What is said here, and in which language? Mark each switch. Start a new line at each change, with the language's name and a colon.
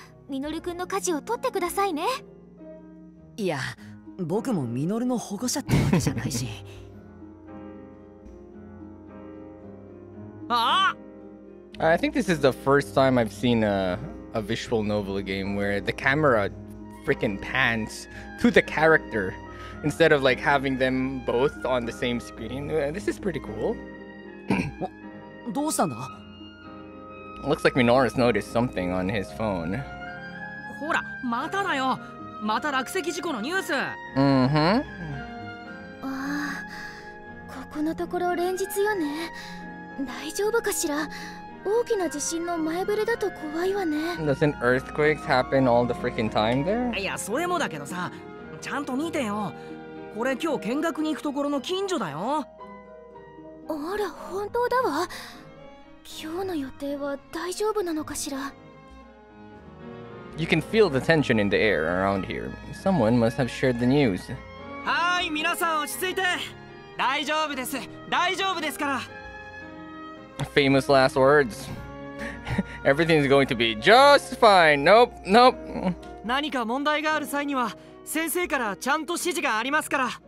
Japanese: ミノルくんの家事を取ってくださいね。いや、僕もミノルの保護者ってわけじゃないし。
English: I think this is the first time I've seen a visual novel game where the camera freaking pans to the character instead of like having them both on the same screen. This is pretty cool. Looks like Minoru's noticed something on his phone.
Japanese: Hora, mata da yo! Mata rakuseki jiko no news! Ah, koko no tokoro renjitsu yo ne? 大丈夫かしら。大きな地震の前触れだと怖いわね。
English: Doesn't earthquakes happen all the freaking time there?
Japanese: いや、それもだけどさ、ちゃんと見てよ。これ今日見学に行くところの近所だよ。あら、本当だわ。今日の予定は大丈夫なのかしら。
English: You can feel the tension in the air around here. Someone must have shared the news.
Japanese: はい、皆さん落ち着いて。大丈夫です。大丈夫ですから。
English: Famous last words. Everything's going to be just fine. Nope, nope.
Japanese: 何か問題がある際には先生からちゃんと指示がありますから。